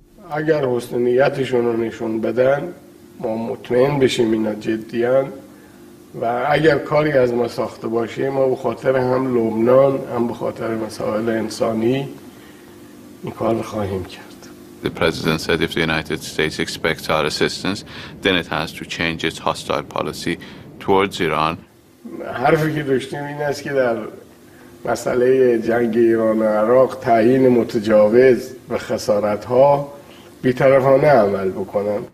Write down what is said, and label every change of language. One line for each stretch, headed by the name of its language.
Persian: اگر حسن نیتشون رو نشون بدن ما مطمئن بشیم اینا جدیان و اگر کاری از ما ساخته باشه ما به خاطر هم لبنان هم به خاطر مسائل انسانی این کار رو خواهیم کرد.
English: The president said if the United States expects our assistance then it has to change its hostile policy towards Iran.
Persian: حرفی که داشتیم این است که در مسئله جنگ ایران و عراق تعیین متجاوز و خسارت ها بی‌طرفانه عمل بکنن.